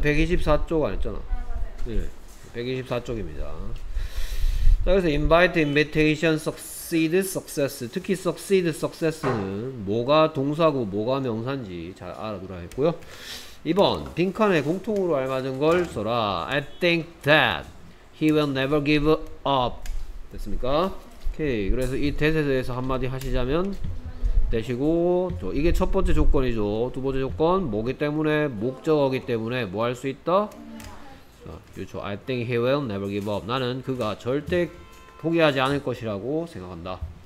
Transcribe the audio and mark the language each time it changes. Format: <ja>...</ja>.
<ko>124쪽 아니었잖아. 네, 124쪽입니다. 자, 그래서</ko> <en>invite, invitation, succeed, success.</en> <ko>특히</ko> <en>succeed, success</en> <ko>는 뭐가 동사고 뭐가 명사인지 잘 알아두라 했고요. 2번, 빈칸에 공통으로 알맞은 걸 써라.</ko> <en>I think that he will never give up.</en> <ko>됐습니까? 오케이. 그래서 이 that에 대해서 한마디 하시자면 되시고, 저 이게 첫 번째 조건이죠. 두 번째 조건, 뭐기 때문에, 목적어기 때문에 뭐 할 수 있다? 그렇죠.</ko> <en>I think he will never give up.</en> <ko>나는 그가 절대 포기하지 않을 것이라고 생각한다.</ko>